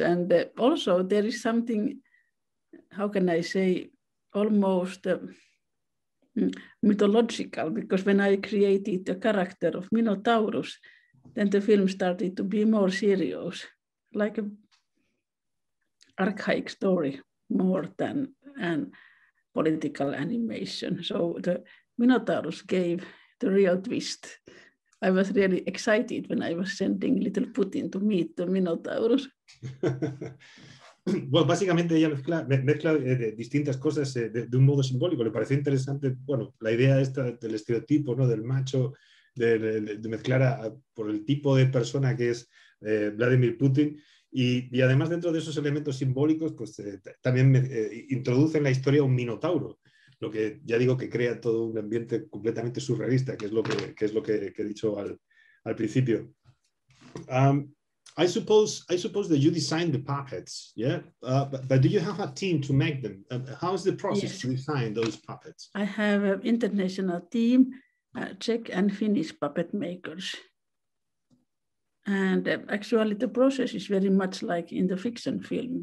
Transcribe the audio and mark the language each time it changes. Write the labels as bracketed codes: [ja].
[en] And also there is something, how can I say, almost mythological, because when I created the character of Minotaurus, then the film started to be more serious, like an archaic story more than an political animation. So the Minotaurus gave the real twist. I was really excited when I was sending little Putin to meet the Minotaurus. [es] Bueno, básicamente ella mezcla distintas cosas de un modo simbólico. Le pareció interesante, bueno, la idea esta del estereotipo, ¿no? Del macho, de mezclar por el tipo de persona que es Vladimir Putin. Y además, dentro de esos elementos simbólicos, pues también introduce en la historia un minotauro. Lo que ya digo que crea todo un ambiente completamente surrealista, que es lo que he dicho al principio. [en] I suppose that you designed the puppets, yeah? But do you have a team to make them? How is the process to design those puppets? I have an international team, Czech and Finnish puppet makers. And actually the process is very much like in the fiction film.